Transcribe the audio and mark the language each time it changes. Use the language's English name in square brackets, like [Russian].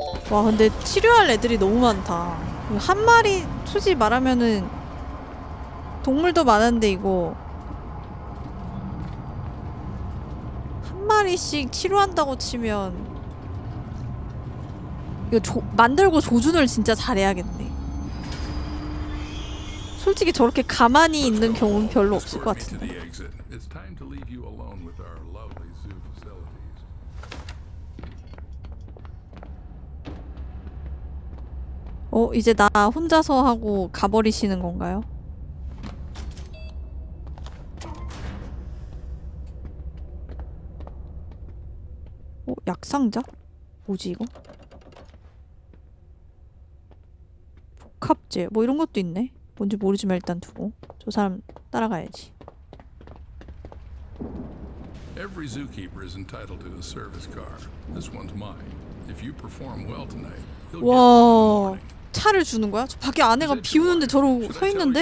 [Korean] 와, 근데 치료할 애들이 너무 많다. 한 마리 투지 말하면은 동물도 많은데 이거 한 마리씩 치료한다고 치면 이거 만들고 조준을 진짜 잘해야겠네. 솔직히 저렇게 가만히 있는 경우는 별로 없을 것 같은데. [English] It's time to leave you alone with our lovely zoo facilities. [Korean] Oh, 이제 나 혼자서 하고 가버리시는 건가요? Oh, 약상자? 뭐지 이거? 복합제 뭐 이런 것도 있네. 뭔지 모르지만 일단 두고 저 사람 따라가야지. [English] Every zookeeper is entitled to a service car. This one's mine. If you perform well tonight, you'll get a warning. [Korean] 차를 주는 거야? 저 밖에 아내가 비 오는데 저러고 서 있는데?